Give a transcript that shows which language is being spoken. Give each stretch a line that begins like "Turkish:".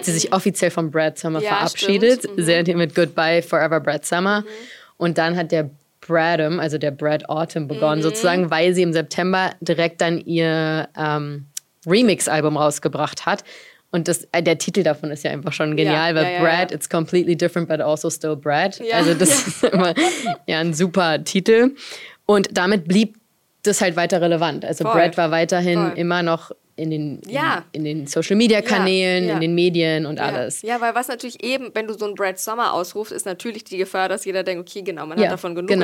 German: hat sie sich offiziell von Brad Summer ja, verabschiedet, mhm. sehr mit Goodbye Forever Brad Summer. Mhm. Und dann hat der Bradum, also der Brad Autumn begonnen mhm. sozusagen, weil sie im September direkt dann ihr Remix-Album rausgebracht hat. Und das, der Titel davon ist ja einfach schon genial, ja, weil ja, Brad, ja.
English: it's completely different, but also still Brad.
German: Ja. Also das ja. ist immer ja, ein super Titel. Und damit blieb das halt weiter relevant. Also voll. Brad war weiterhin voll. Immer noch in den, ja. in den Social-Media-Kanälen, ja, ja. in den Medien und ja. alles. Ja, weil was natürlich eben, wenn du so einen Brad Summer ausrufst, ist natürlich die Gefahr, dass jeder denkt, okay, genau, man ja, hat davon genug,